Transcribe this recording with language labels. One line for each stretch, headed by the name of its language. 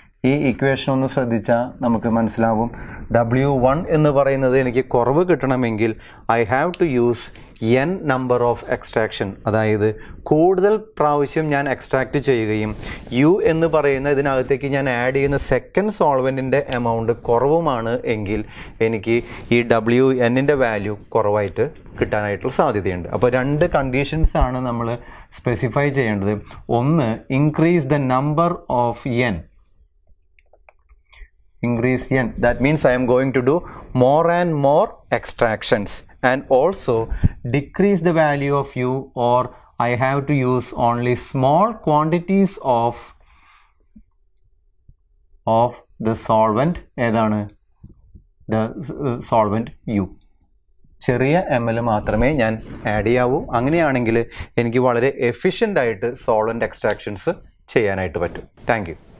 Malayalam: ഈ ഇക്വേഷൻ ഒന്ന് ശ്രദ്ധിച്ചാൽ നമുക്ക് മനസ്സിലാവും ഡബ്ല്യു വൺ എന്ന് പറയുന്നത് എനിക്ക് കുറവ് കിട്ടണമെങ്കിൽ
English: I have to use n number of extraction,
Malayalam: അതായത് കൂടുതൽ പ്രാവശ്യം ഞാൻ എക്സ്ട്രാക്റ്റ് ചെയ്യുകയും യു എന്ന് പറയുന്ന ഇതിനകത്തേക്ക് ഞാൻ ആഡ് ചെയ്യുന്ന സെക്കൻഡ് സോൾവെൻറ്റിൻ്റെ എമൗണ്ട് കുറവുമാണ് എങ്കിൽ എനിക്ക് ഈ ഡബ്ല്യു എന്നിൻ്റെ വാല്യൂ കുറവായിട്ട് കിട്ടാനായിട്ടുള്ള സാധ്യതയുണ്ട്. അപ്പോൾ രണ്ട് കണ്ടീഷൻസാണ് നമ്മൾ സ്പെസിഫൈ ചെയ്യേണ്ടത്.
English: ഒന്ന്, increase the number of n. Increase n, that means I am going to do more and more extractions, and also decrease the value of u, or I have to use only small quantities of the solvent.
Malayalam: Edana the solvent u ചെറിയ M L മാത്രമേ ഞാൻ add ചെയ്യാവൂ. അങ്ങനെയാണെങ്കിൽ എനിക്ക് വളരെ efficient ആയിട്ട് solvent extractions ചെയ്യാനായിട്ട് പറ്റും. Thank you.